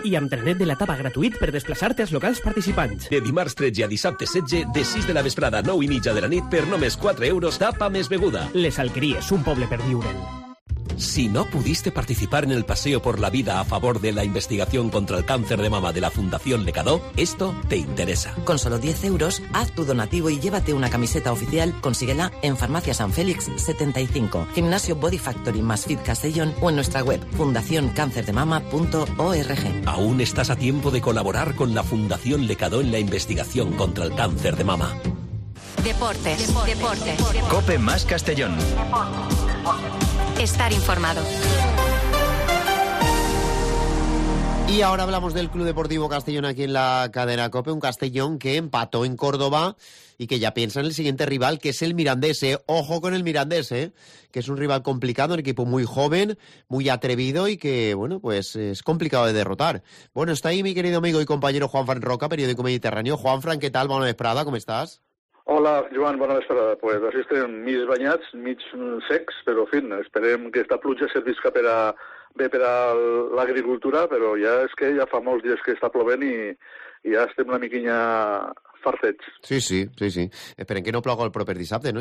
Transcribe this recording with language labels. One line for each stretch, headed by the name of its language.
Catalan: Y amb trenet de la tapa gratuït per desplaçar-te als locals participants. De dimarts 13 a dissabte 16, de 6 de la vesprada a 9 i mitja de la nit, per només 4 euros, tapa més beguda. Les Alqueries, un poble per viure'l.
Spanish: Si no pudiste participar en el paseo por la vida a favor de la investigación contra el cáncer de mama de la Fundación Lecadó, esto te interesa. Con solo 10 euros, haz tu donativo y llévate una camiseta oficial. Consíguela en Farmacia San Félix 75, Gimnasio Body Factory más Fit Castellón o en nuestra web fundacioncáncerdemama.org. Aún estás a tiempo de colaborar con la Fundación Lecadó en la investigación contra el cáncer de mama. Deportes. COPE más Castellón. Estar informado. Y ahora hablamos del Club Deportivo Castellón aquí en la cadena COPE, un Castellón que empató en Córdoba y que ya piensa en el siguiente rival, que es el Mirandés. Ojo con el Mirandés, que es un rival complicado, un equipo muy joven, muy atrevido y que, bueno, pues es complicado de derrotar. Bueno, está ahí mi querido amigo y compañero Juanfran Roca, periódico mediterráneo. Juanfran, ¿qué tal?
Catalan: Bona vesprada,
Spanish: ¿cómo estás?
Catalan: Hola, Joan, bona vesprada. Pues així estem mig banyats, mig secs, però en fi, esperem que esta pluja servisca per a, bé per a l'agricultura, però ja és que ja fa molts dies que està plovent i ja estem una miquinya farcets. Sí, sí, sí, sí. Esperem que no plogui el proper dissabte, no?